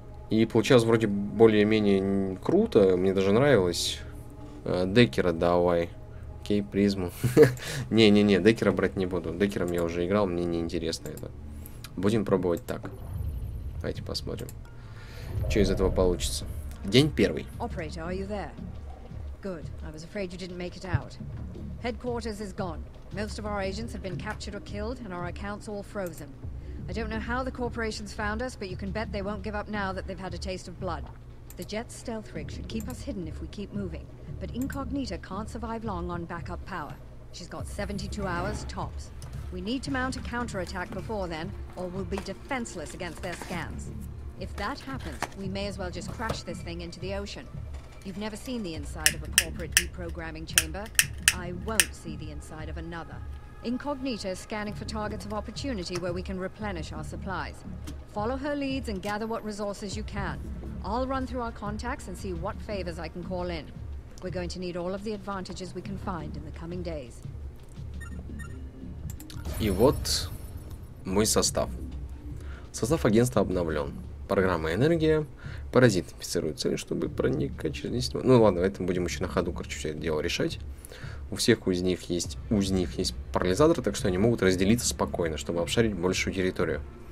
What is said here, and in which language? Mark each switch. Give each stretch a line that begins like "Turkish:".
Russian: И получалось вроде более-менее круто. Мне даже нравилось. Декера давай. Окей, призму. Не-не-не, декера брать не буду. Декером я уже играл, мне неинтересно это. Будем пробовать так. Давайте посмотрим, что из этого получится. День первый.
English: Operator, are you there? Good. I was afraid you didn't make it out. Headquarters is gone. Most of our agents have been captured or killed, and our accounts all frozen. I don't know how the corporations found us, but you can bet they won't give up now that they've had a taste of blood. The jet's stealth rig should keep us hidden if we keep moving, but Incognita can't survive long on backup power. She's got 72 hours tops. We need to mount a counterattack before then, or we'll be defenseless against their scans. If that happens, we may as well just crash this thing into the ocean. You've never seen the inside of a corporate deprogramming chamber. I won't see the inside of another. Incognito scanning for targets of opportunity where we can replenish our supplies. Follow her leads and gather what resources you can. I'll run through our contacts and see what favors I can call in. We're going to need all of the advantages we can find in the coming days.
Russian: И вот мой состав. Состав агентства обновлен. Программа «Энергия». Паразит инфицирует цель, чтобы проникать через действие. Ну ладно, это будем еще на ходу, короче, все это дело решать. У всех из них есть, парализатор, так что они могут разделиться спокойно, чтобы обшарить большую территорию.